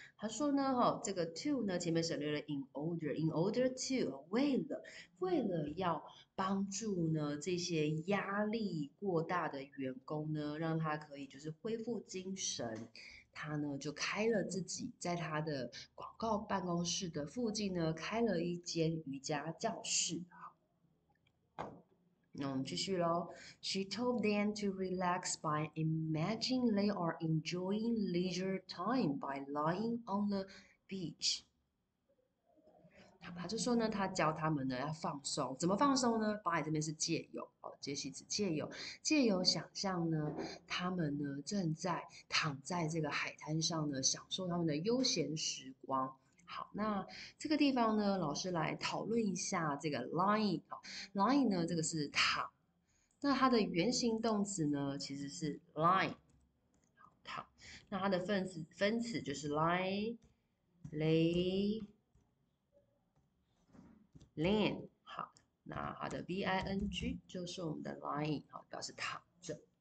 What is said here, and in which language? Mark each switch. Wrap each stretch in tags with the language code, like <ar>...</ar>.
<zh>她说呢，哈，这个 to 呢，前面省略了</zh> <en>in order to，</en> <zh>为了要帮助呢这些压力过大的员工呢，让他可以就是恢复精神。他呢就开了自己在他的广告办公室的附近呢开了一间瑜伽教室。那我们继续喽。</zh> <en>She told them to relax by imagining they are enjoying leisure time by lying on the beach。</en> <zh>他就说呢，他教他们呢要放松，怎么放松呢？By 这边是借由哦，介系词借由想象呢，他们呢正在躺在这个海滩上呢，享受他们的悠闲时光。好，那这个地方呢，老师来讨论一下这个 lying 啊，lying 呢，这个是躺，那它的原形动词呢，其实是 lie，好躺，那它的分词就是 lay，lean，好，那它的 ving 就是我们的 lying，好，表示躺着。</zh>